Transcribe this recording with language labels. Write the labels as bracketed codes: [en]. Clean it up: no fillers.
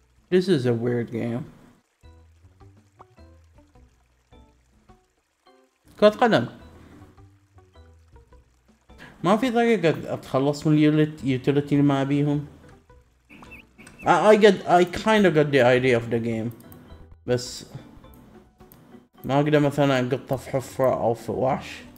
[en] This is a weird game. [ar] كرة قدم. ما في طريقة اتخلص من اليوتيليتي اللي ما ابيهم. [en] I kind of got the idea of the game. [ar] بس ما اقدر مثلا اقطه في حفرة او في وحش.